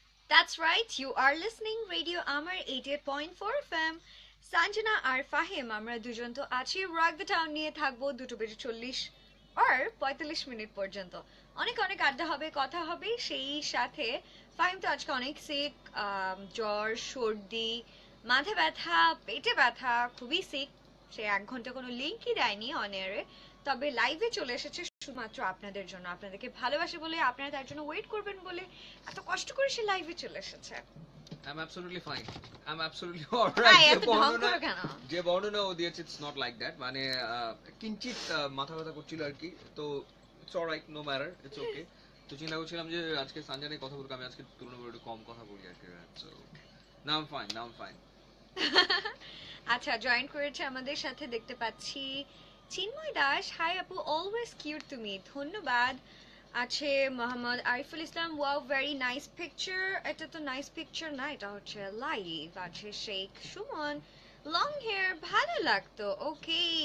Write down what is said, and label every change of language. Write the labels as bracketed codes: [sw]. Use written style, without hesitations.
[en] That's right, you are listening Radio Amar 88.4 FM. [bn] Sanjana আর ফাহিম আমরা দুজন তো আছি রক দ্য টাউন নিয়ে থাকবো দুটো বেজে চল্লিশ আর ৪৫ মিনিট পর্যন্ত। অনেক অনেক আড্ডা হবে, কথা হবে, সেই সাথে ফাহিম তো আজকে অনেক সিক, জ্বর, সর্দি, মাথা ব্যথা, পেটে ব্যথা, খুবই সিক। সে এক ঘন্টা কোনো লিঙ্কই দেয়নি অনেয়ারে, তবে লাইভে চলে এসেছে শুধুমাত্র আপনাদের জন্য, আপনাদেরকে ভালোবাসে বলে, আপনারা তার জন্য ওয়েট করবেন বলে এত কষ্ট করে সে লাইভে চলে এসেছে। [en] I'm absolutely fine. I'm absolutely all right. [bn] যে বর্ণনা ও দিয়েছে [en] it's not like that. [bn] মানে কিঞ্চিত মাথা ব্যথা করছিল আর কি, তো [en] it's all right, no matter, it's okay. [bn] তো চিন্তা করছিলাম যে আজকে সঞ্জনের কথা বলবো, আমি আজকে তুলনা করে একটু কম কথা বলি আর কি। [en] So, now I'm fine, now I'm fine. [bn] আচ্ছা, জয়েন করেছে আমাদের সাথে দেখতে পাচ্ছি চিন্ময় দাস। হাই আপু, অলওয়েজ কিউট তুমি, ধন্যবাদ। আছে Mohammad Ariful Islam, [en] Wow very nice picture. [bn] এটা তো নাইস পিকচার না, এটা হচ্ছে লাইভ। আছে শেখ সুমন, লং হেয়ার ভালো লাগতো, ওকে।